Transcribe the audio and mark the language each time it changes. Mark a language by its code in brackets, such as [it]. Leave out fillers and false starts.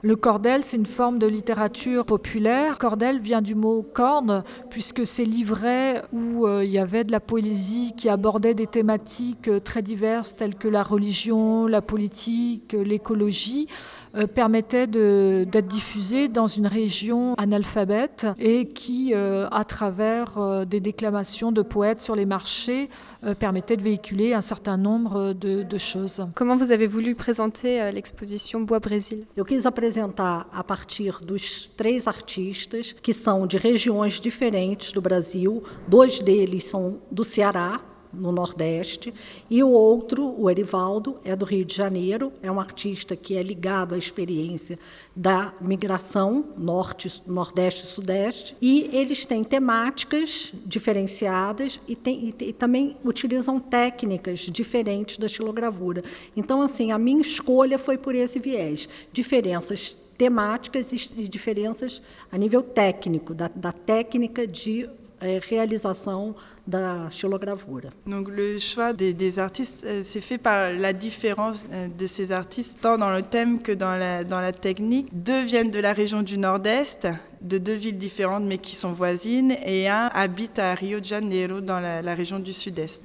[fr] Le cordel, c'est une forme de littérature populaire. Cordel vient du mot corne, puisque c'est livret où il y avait de la poésie qui abordait des thématiques très diverses telles que la religion, la politique, l'écologie, permettait d'être diffusé dans une région analphabète et qui, à travers des déclamations de poètes sur les marchés, permettait de véhiculer un certain nombre de choses. Comment vous avez voulu présenter l'exposition Bois Brésil ? [pt] Apresentar a partir dos três artistas que são de regiões diferentes do Brasil. Dois deles são do Ceará, no Nordeste, e o outro, o Erivaldo, é do Rio de Janeiro. É um artista que é ligado à experiência da migração norte, Nordeste e Sudeste. E eles têm temáticas diferenciadas e também utilizam técnicas diferentes da xilogravura. Então, assim, a minha escolha foi por esse viés, diferenças temáticas e diferenças a nível técnico, da técnica de [fr] réalisation de xylogravure. Donc le choix des artistes s'est fait par la différence de ces artistes, tant dans le thème que dans la technique. Deux viennent de la région du Nord-Est, de deux villes différentes mais qui sont voisines, et un habite à Rio de Janeiro dans la région du Sud-Est.